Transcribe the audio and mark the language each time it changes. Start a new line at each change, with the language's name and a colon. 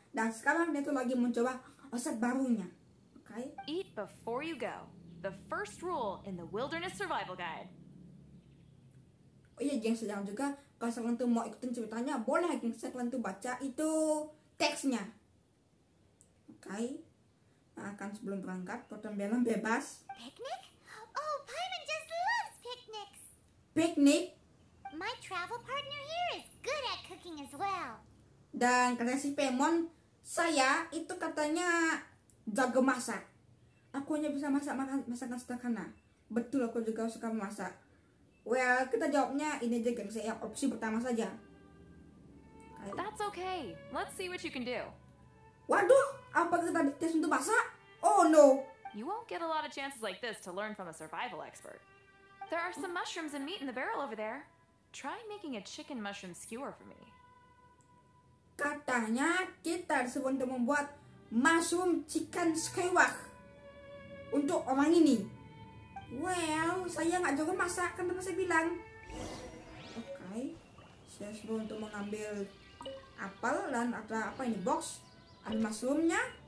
Indonesian: Dan sekarang dia tuh lagi mencoba resep barunya.
English: Okay? Eat before you go. The first rule in the Wilderness Survival Guide.
Indonesian: Oh iya, gengs, jangan juga kalau kalian tuh mau ikutin ceritanya, boleh, gengs, kalian tuh baca itu teksnya. Okay? Nah, akan sebelum berangkat, potong bebas.
English: Picnic? Oh, Paimon just loves picnics. Picnic? My travel partner here is good at cooking as well.
Indonesian: Dan katanya si Paimon, saya itu katanya jago masak. Aku hanya bisa masak masakan sederhana. Betul, aku juga suka memasak. Well, kita jawabnya ini aja, gengs, yang opsi pertama saja.
English: Okay. That's okay. Let's see what you can do.
Indonesian: Waduh, apa kita dites untuk masak?
English: Oh no. You won't get a lot of chances like this to learn from a survival expert. There are some mushrooms and meat in the barrel over there. Try making a chicken mushroom skewer for me.
Indonesian: Katanya kita disuruh untuk membuat mushroom chicken skewer untuk orang ini. Well, saya nggak jago masak, kan teman saya bilang. Okay, saya disuruh untuk mengambil apel dan ada apa ini box ada mushroomnya.